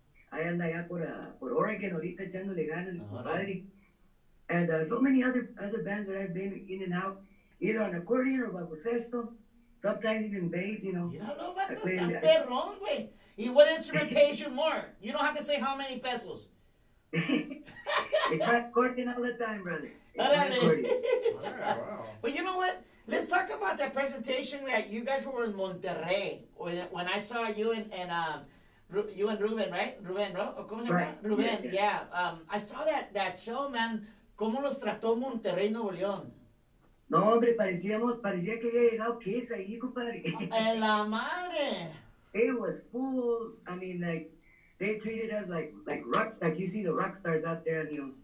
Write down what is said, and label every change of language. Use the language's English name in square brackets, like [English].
[Spanish] Ahí anda allá por, por Oregon ahorita echándole ganas, mi compadre. [English] And so many other bands that I've been in and out, either on accordion or bajo sexto, sometimes even bass, you know. [Spanish] Míralo, vato, estás perrón, güey. ¿Y [English] what instrument pays you more? You don't have to say how many pesos. It's not accordion all the time, brother. But you know what? Let's talk about that presentation that you guys were in Monterrey when I saw you and you and Ruben, right? Ruben, ¿no? Ruben, yeah. I saw that show, man. [Spanish] ¿Cómo los trató Monterrey, Nuevo León? No, hombre, parecía que había llegado Kiss ahí, compadre. ¡En la madre! [English] It was full. I mean, like, they treated us like rocks, like you see the rock stars out there, you know.